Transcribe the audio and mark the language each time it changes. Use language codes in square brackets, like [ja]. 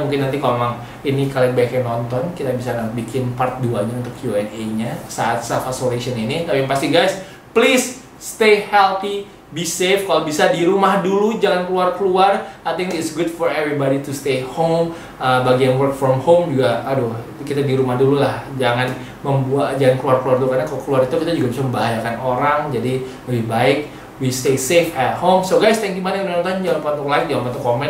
[id] Mungkin nanti kalau memang ini kalian baiknya nonton, kita bisa bikin part 2-nya untuk Q&A-nya saat self-isolation ini. Tapi yang pasti guys, [en] please stay healthy, be safe. [id] Kalau bisa di rumah dulu, jangan keluar-keluar. [en] I think it's good for everybody to stay home. [id] Bagi yang work from home juga, kita di rumah dulu lah. Jangan keluar-keluar dulu, karena kalau keluar itu kita juga bisa membahayakan orang. Jadi lebih baik [en] we stay safe at home. So guys, thank you [id] banyak yang udah nonton. Jangan lupa untuk like, jangan lupa untuk komen.